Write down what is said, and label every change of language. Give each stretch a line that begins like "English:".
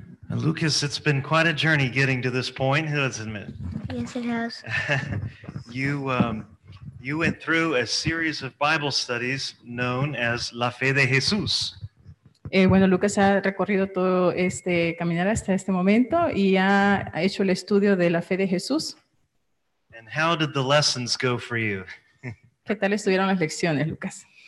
English: Lucas, it's been quite a journey getting to this point, let's admit. Yes, it has. you went through a series of Bible studies known as La Fe de Jesús.
Spanish: Bueno, Lucas ha recorrido todo este caminar hasta este momento y ha hecho el estudio de La Fe de Jesús.
English: And how did the lessons go for you?
Spanish: ¿Qué tal estuvieron las lecciones, Lucas?